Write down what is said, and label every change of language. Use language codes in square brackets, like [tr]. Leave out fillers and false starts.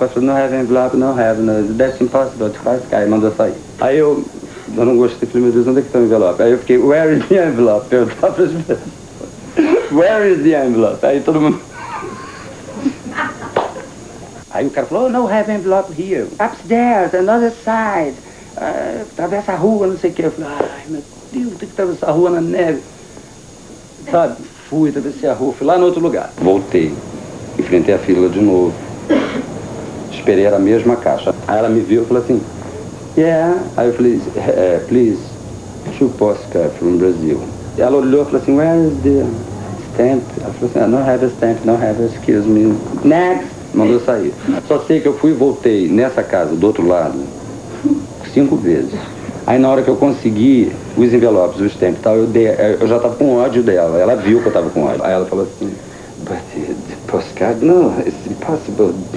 [pt] Eu falei, [en] no have envelope, no have, no, that's impossible, to pass guy, [pt] mandou sair. Aí eu não gostei, falei, meu Deus, onde é que está o envelope? Aí eu fiquei, [en] where is the envelope? [pt] Eu tava pensando, [en] where is the envelope? [pt] Aí todo mundo... Aí o cara falou, [en] oh, no have envelope here, upstairs, another side, [pt] atravessa a rua, não sei o que. Eu falei, ai, meu Deus, tem que atravessar a rua na neve. Sabe, fui, atravessei a rua, fui lá no outro lugar. Voltei, enfrentei a fila de novo, esperei a mesma caixa. Aí ela me viu e falou assim, yeah. Aí eu falei, [en] please, two postcards from Brazil. [pt] E ela olhou e falou assim, [en] where is the stamp? [pt] Ela falou assim, [en] I don't have a stamp, no have, excuse me. Next! [pt] Mandou sair. Só sei que eu fui e voltei nessa casa do outro lado 5 vezes. Aí na hora que eu consegui os envelopes, os stamps e tal, eu já tava com ódio dela. [en] Ela viu que eu tava com ódio. [pt] Aí ela falou assim, [en] but the postcard, no, it's impossible.